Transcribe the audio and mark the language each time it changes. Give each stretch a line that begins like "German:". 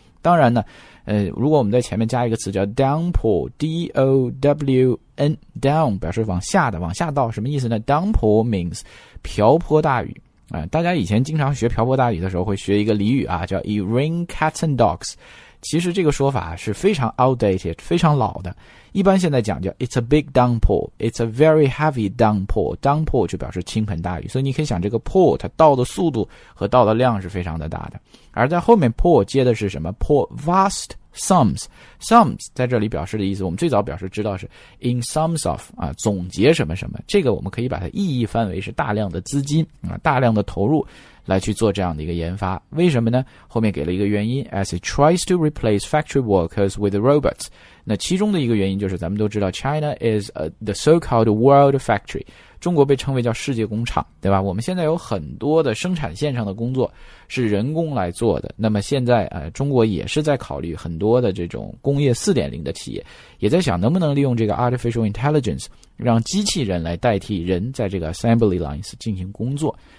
Chinese: 当然呢如果我们在前面加一个词叫 downpour, D-O-W-N, down 表示往下的，往下倒什么意思呢？ downpour means 瓢泼大雨。大家以前经常学瓢泼大雨的时候会学一个俚语啊，叫
English: it rain cats and dogs。
Chinese: 其实这个说法是非常 outdated, 非常老的。一般现在讲叫
English: it's a big downpour, it's a very heavy downpour, downpour
Chinese: 就表示倾盆大雨。所以你可以想这个 pour, 它倒的速度和倒的量是非常的大的。而在后面 pour 接的是什么？pour vast sums, sums 在这里表示的意思，我们最早表示知道是 in sums of, 总结什么什么。这个我们可以把它意义范围是大量的资金，大量的投入来去做这样的一个研发。为什么呢？后面给了一个原因，
English: as it tries to replace factory workers with robots.
Chinese: 那其中的一个原因就是咱们都知道
English: China is the so-called world factory.
Chinese: 中国被称为叫世界工厂，对吧？我们现在有很多的生产线上的工作是人工来做的。那么现在中国也是在考虑很多的这种工业 4.0 的企业，也在想能不能利用这个 artificial intelligence 让机器人来代替人在这个 assembly lines 进行工作。